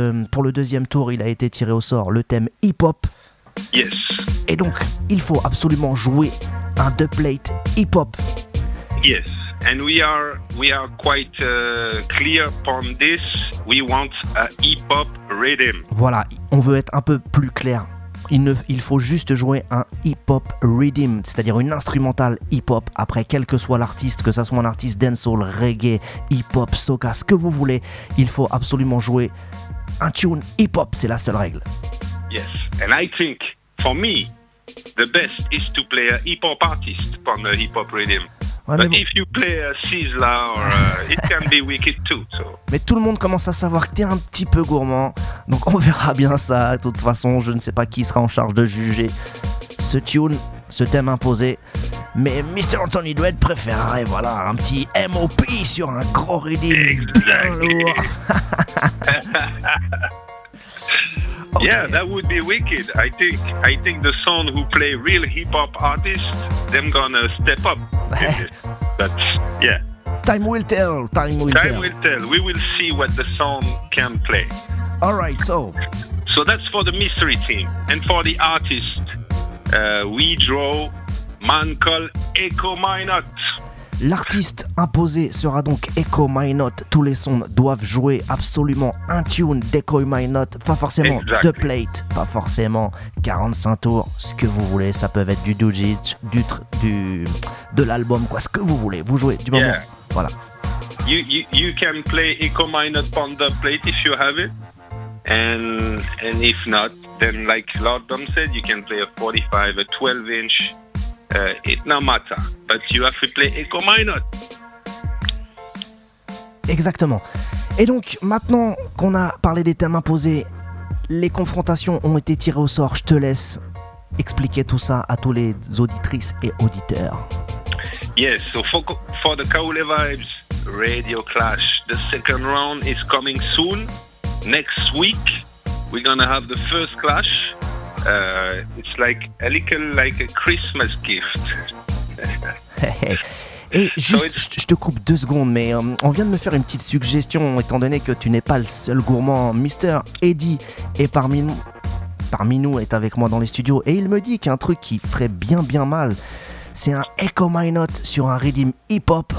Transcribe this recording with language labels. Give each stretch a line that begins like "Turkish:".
French: Pour le deuxième tour, il a été tiré au sort le thème hip-hop.
English: Yes.
French: Et donc, il faut absolument jouer un dub plate hip-hop.
English: Yes, and we are quite clear upon this. We want a hip-hop rhythm.
French: Voilà, on veut être un peu plus clair. Il faut juste jouer un hip-hop rhythm, c'est-à-dire une instrumentale hip-hop. Après, quel que soit l'artiste, que ça soit un artiste dancehall, reggae, hip-hop, soca, ce que vous voulez, il faut absolument jouer un tune hip-hop. C'est la seule règle.
English: Yes, and I think for me, the best is to play a hip hop artist on the hip hop rhythm.
French: Ouais,
English: but if you play a Sizzla or it can be wicked too. So.
French: Mais tout le monde commence à savoir que t'es un petit peu gourmand, donc on verra bien ça. De toute façon, je ne sais pas qui sera en charge de juger ce tune, ce thème imposé. Mais Mr. Anthony Dwed préférerait voilà un petit MOP sur un gros rhythm bien lourd.
English: Okay. Yeah, that would be wicked. I think the sound who play real hip hop artists, them gonna step up. But yeah. Time will tell. We will see what the sound can play. All right, so. So that's for the mystery team. And for the artist, we draw man called Echo Minot.
French: L'artiste imposé sera donc Echo Minot. Tous les sons doivent jouer absolument un tune d'Echo Minot. Pas forcément
English: exactly.
French: The Plate, pas forcément 45 tours, ce que vous voulez. Ça peut être du Dujic, de l'album, quoi. Ce que vous voulez, vous jouez du moment.
English: Yeah.
French: Voilà.
English: You can play Echo Minot on The Plate if you have it. And if not, then like Lord Dom said, you can play a 45, a 12 inch. It no matter, but you have to play Echo Minot.
French: Exactement. Et donc, maintenant qu'on a parlé des thèmes imposés, les confrontations ont été tirées au sort. Je te laisse expliquer tout ça à tous les auditrices et auditeurs.
English: Yes, so for the Kaole Vibes Radio Clash, the second round is coming soon. Next week, we're gonna have the first clash. It's like a little like a Christmas gift.
French: Et juste, je te coupe deux secondes, mais on vient de me faire une petite suggestion, étant donné que tu n'es pas le seul gourmand. Mister Eddie est parmi nous, est avec moi dans les studios, et il me dit qu'un truc qui ferait bien bien mal, c'est un Echo Minot sur un rhythm hip-hop.